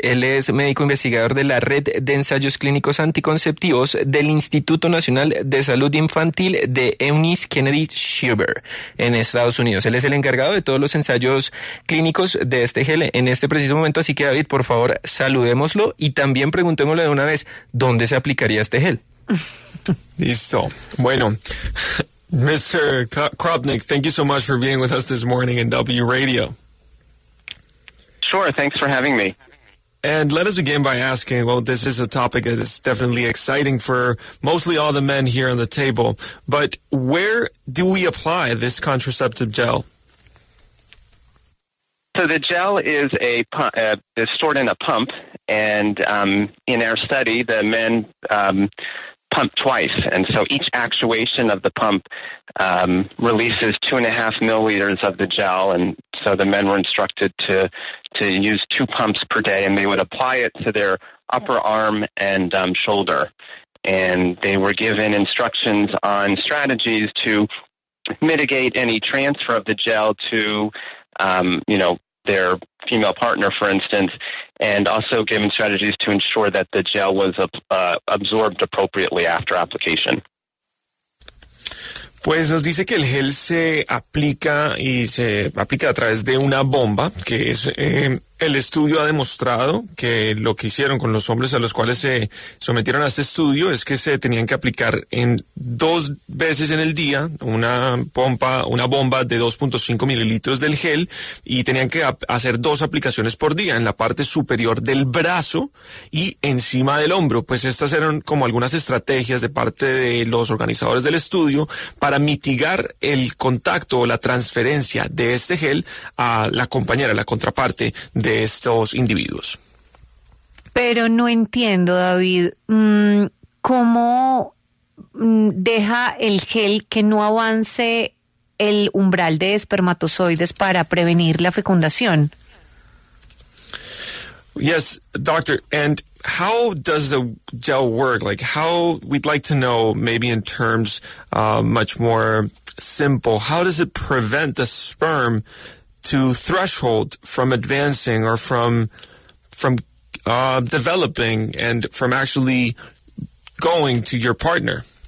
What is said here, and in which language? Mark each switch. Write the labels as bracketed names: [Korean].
[Spanish] Él es médico investigador de la Red de Ensayos Clínicos Anticonceptivos del Instituto Nacional de Salud Infantil de Eunice Kennedy Shriver en Estados Unidos. Él es el encargado de todos los ensayos clínicos de este gel en este preciso momento. Así que, David, por favor, saludémoslo y también preguntémosle de una vez, ¿dónde se aplicaría este gel? Listo. Bueno, Mr. [English] Kropnik, thank you so much for being with us this morning in W Radio. Sure, thanks for having me. And let us begin by asking, well, this is a topic that is definitely exciting for mostly all the men here on the table, but where do we apply this contraceptive gel? So the gel is a is stored in a pump, and in our study, the men pump twice, and so each actuation of the pump releases 2.5 milliliters of the gel, and so the men were instructed to use two pumps per day, and they would apply it to their upper arm and shoulder, and they were given instructions on strategies to mitigate any transfer of the gel to their female partner, for instance, and also given strategies to ensure that the gel was absorbed appropriately after application. [Spanish] Pues nos dice que el gel se aplica y se aplica a través de una bomba, que es el estudio ha demostrado que lo que hicieron con los hombres a los cuales se sometieron a este estudio es que se tenían que aplicar en dos veces en el día una bomba de 2.5 mililitros del gel y tenían que hacer dos aplicaciones por día en la parte superior del brazo y encima del hombro. Pues estas eran como algunas estrategias de parte de los organizadores del estudio para mitigar el contacto o la transferencia de este gel a la compañera, la contraparte de estos individuos. Pero no entiendo, David, ¿cómo deja el gel que no avance el umbral de espermatozoides para prevenir la fecundación? [English] Yes, doctor, and how does the gel work? Like, how we'd like to know, maybe in terms much more simple, how does it prevent the sperm to threshold from advancing or from developing and from actually going to your partner?